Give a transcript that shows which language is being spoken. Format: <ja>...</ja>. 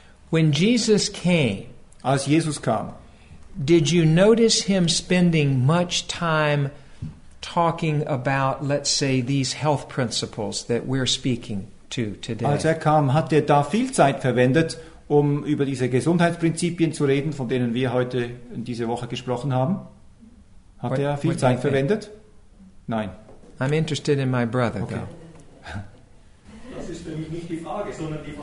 <en>When Jesus came,</en> <de>als Jesus kam,</de> <en>did you notice him spending much time talking about, let's say, these health principles that we're speaking to today?</en> <de>Als er kam, hat er da viel Zeit verwendet, um über diese Gesundheitsprinzipien zu reden, von denen wir heute in dieser Woche gesprochen haben? Hat er viel Zeit verwendet? Nein.</de> <en>I'm interested in my brother, okay.</en> <de>Das ist für mich nicht die Frage, sondern die Frage,</de>